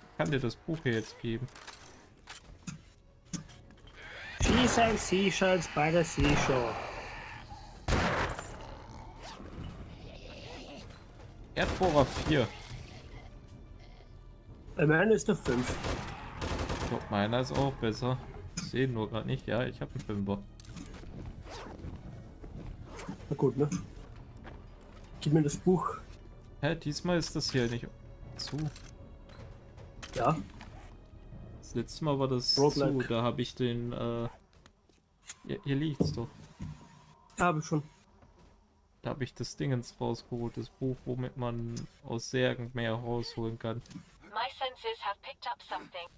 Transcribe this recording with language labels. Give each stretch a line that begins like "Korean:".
German: Dir das Buch hier jetzt geben.
English: She's a seashells by the seashore.
German: Erdbohrer 4. Bei meiner ist der 5. Ich glaube, meiner ist auch besser. Ich sehe nur gerade nicht. Ja, ich habe einen 5er. Na gut, ne? Gib mir das Buch. Hä, diesmal ist das hier nicht zu. Ja. Das letzte Mal war das Roguelike. Zu, da habe ich den, hier liegt's doch. Habe schon. Da habe ich das Dingens rausgeholt, das Buch, womit man aus Särgen mehr rausholen kann.
English: My senses have picked up something.